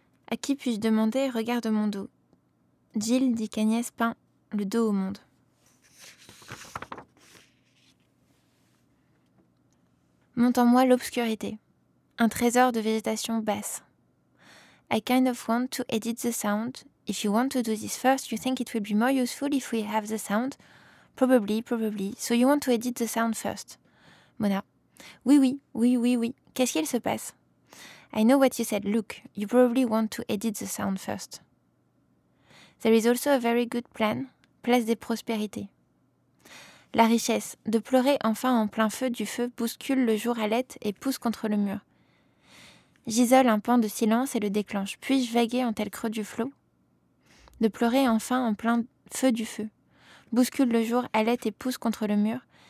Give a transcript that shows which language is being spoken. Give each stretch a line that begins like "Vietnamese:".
French: À qui puis-je demander, regarde mon dos. Jill dit qu'Agnès peint le dos au monde. Monte en moi l'obscurité, un trésor de végétation basse.
English: I kind of want to edit the sound. If you want to do this first, you think it will be more useful if we have the sound. Probably, probably. So you want to edit the sound first.
French: Mona. Oui, oui, oui, oui, oui. Qu'est-ce qu'il se passe?
English: I know what you said. Look, you probably want to edit the sound first. There is also a very good plan.
French: Place des prospérités. La richesse. De pleurer enfin en plein feu du feu bouscule le jour à l'aide et pousse contre le mur. J'isole un pan de silence et le déclenche. Puis-je vaguer en tel creux du flot? De pleurer enfin en plein feu du feu. Bouscule le jour, halète et pousse contre le mur.